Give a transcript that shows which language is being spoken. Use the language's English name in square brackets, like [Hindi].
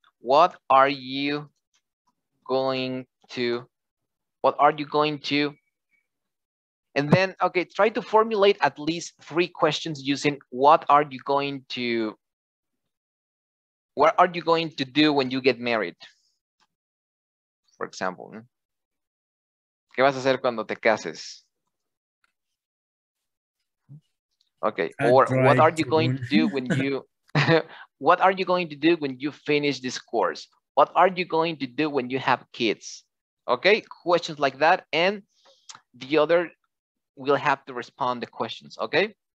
[English] What are you going to, what are you going to? And then, okay, try to formulate at least three questions using what are you going to, what are you going to do when you get married? For example, [Spanish] ¿qué vas a hacer cuando te cases? [English] Okay, or what are you going to do when you, what are you going to do when you finish this course? What are you going to do when you have kids? Okay, questions like that. And the other will have to respond the questions, okay?